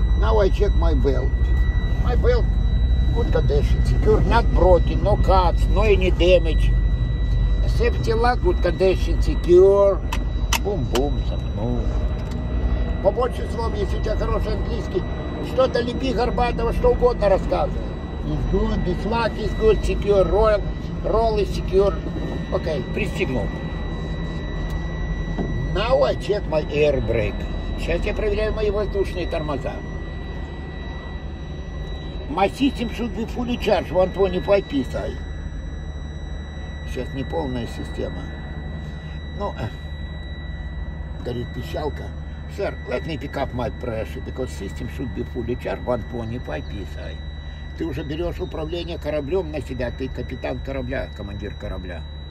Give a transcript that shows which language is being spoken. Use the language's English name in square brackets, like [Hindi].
[English] Now I check my belt. My belt good condition. Secure, not broken, no cuts, no any damage. Safety lock good condition, secure. [Russian] Бум-бум, со мной. Побольше слов, если у тебя хороший английский. Что-то лепи, горбатого, что угодно рассказывай. [English] It's good, this lock is good, secure, roll is secure. [Russian] Окей, пристегнул. [English] Now I check my air brake. [Russian] Сейчас я проверяю мои воздушные тормоза. [English] My system should be fully charged, 125 PSI. [Russian] Сейчас не полная система. Ну, горит пищалка. [English] Sir, let me pick up my pressure, because system should be fully charged, 125 PSI. [Russian] Ты уже берешь управление кораблем на себя, ты капитан корабля, командир корабля.